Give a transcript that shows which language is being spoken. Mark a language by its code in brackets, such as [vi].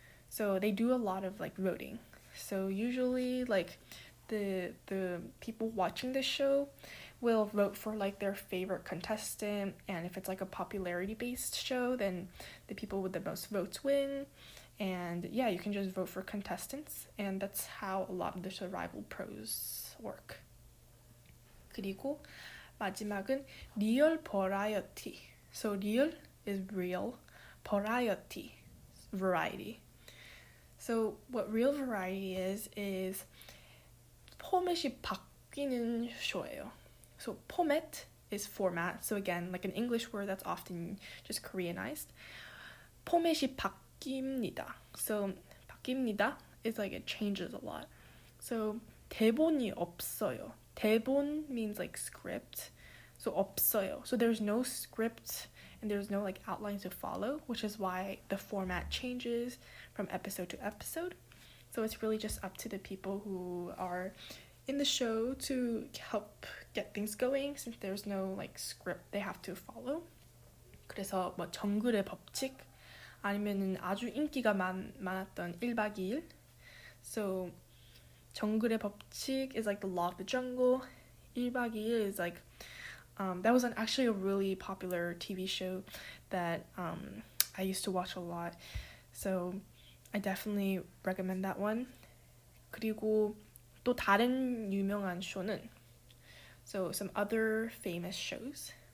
[en] So they do a lot of like voting. So usually like the people watching this show will vote for like their favorite contestant, and if it's like a popularity-based show, then the people with the most votes win. And yeah, you can just vote for contestants, and that's how a lot of the survival pros work. [ko] 그리고 마지막은 리얼 버라이어티. [en] So 리얼 is real, 버라이어티, variety. So what real variety is [ko] 포맷이 바뀌는 쇼예요. [en] So 포맷 is format. So again, like an English word that's often just Koreanized. [ko] 포맷이 바뀝니다. [en] So 바뀝니다 is like it changes a lot. So [ko] 대본이 없어요. [en] 대본 means like script. So 없어요. So there's no script and there's no like outline to follow, which is why the format changes from episode to episode. So it's really just up to the people who are in the show to help get things going, since there's no like script they have to follow. [ko] 그래서 뭐 정글의 법칙 아니면은 아주 인기가 많았던 1박 2일. [en] So 정글의 법칙 is like the law of the jungle. 1박 2일 is like that was actually a really popular TV show that I used to watch a lot. So I definitely recommend that one. [ko] 그리고 또 다른 유명한 쇼는, [en] so some other famous shows.